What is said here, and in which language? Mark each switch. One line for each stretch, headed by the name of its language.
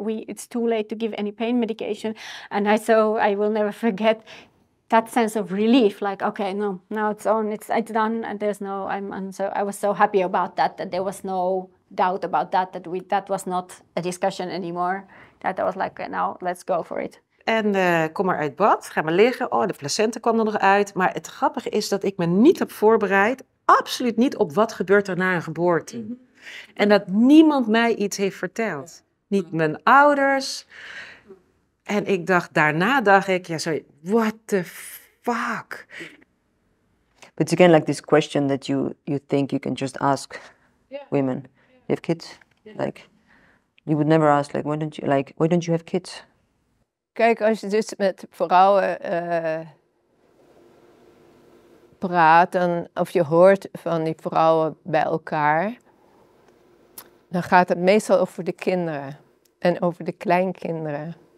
English: It's too late to give any pain medication. And I will never forget that sense of relief. Like, okay, no, now it's on, it's done. And I was so happy about that there was no doubt about that was not a discussion anymore. That I was like, okay, now let's go for it.
Dutch: En kom maar uit bad, ga maar liggen. Oh, de placenta kwam er nog uit. Maar het grappige is dat ik me niet heb voorbereid, absoluut niet, op wat gebeurt er na een geboorte. En dat niemand mij iets heeft verteld. Niet mijn ouders. En ik dacht, daarna dacht ik, ja, sorry,
English: what the fuck? But it's again like this question that you think you can just ask women. You have kids? Like, you would never ask, like, why don't you have kids?
Dutch: Kijk, als je dus met vrouwen praat en of je hoort van die vrouwen bij elkaar, dan gaat het meestal over de kinderen en over de kleinkinderen.